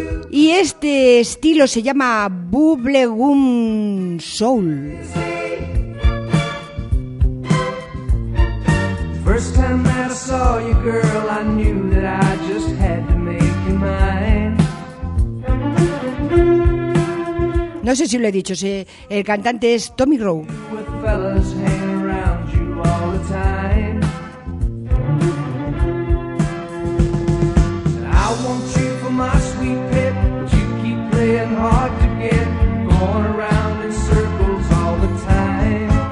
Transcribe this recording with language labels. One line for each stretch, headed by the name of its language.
Spanish: Y este estilo se llama Bubblegum Soul.
English: First time that I saw you, girl, I knew that I just had to make you mine.
Spanish: No sé si lo he dicho, el cantante es Tommy Rowe.
English: With fellas hanging around you all the time. I want you for my sweet pip, but you keep playing hard to get. Going around in circles all the time.